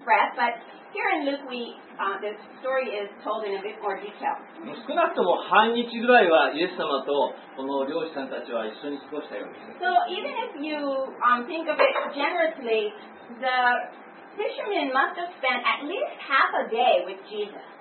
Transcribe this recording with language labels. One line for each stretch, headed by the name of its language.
English: But here in Luke, we, the story is told in a bit more detail.
Japanese: 少なくとも半日ぐらいはイエス様とこの漁師さんたちは一緒に過ごしたようです。
English: So even if you, think of it generously, the fishermen must have spent at least half a day with Jesus.